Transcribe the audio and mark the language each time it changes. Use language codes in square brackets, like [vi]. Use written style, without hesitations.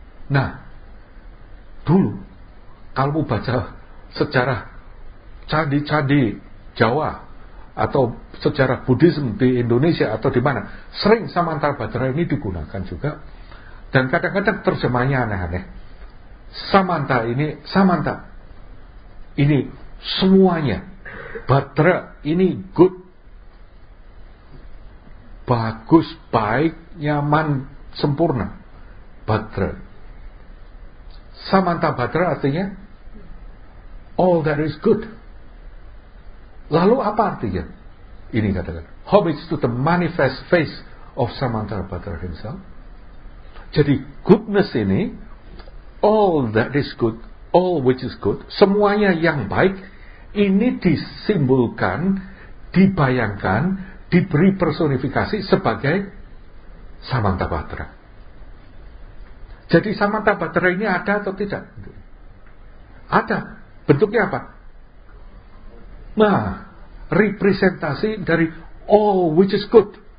[id] Nah, dulu kalau baca sejarah candi-candi Jawa atau sejarah Buddhism di Indonesia atau di mana, sering Samantha Badra ini digunakan juga, dan kadang-kadang terjemahnya aneh-aneh. Samantha ini semuanya, Badra ini good, bagus, baik, nyaman, sempurna. Badra, Samantha Badra artinya [en] all that is good. [id] Lalu apa artinya? Ini katakan, [en] homage to the manifest face of Samantha Badra himself. [id] Jadi goodness ini, [en] all that is good, [id] all which is good, semuanya yang baik, ini disimbolkan, dibayangkan, diberi personifikasi sebagai Samantha Badra. Jadi Samantha Badra ini ada atau tidak? Ada. Bentuknya apa? Nah, representasi dari [en] all which is good.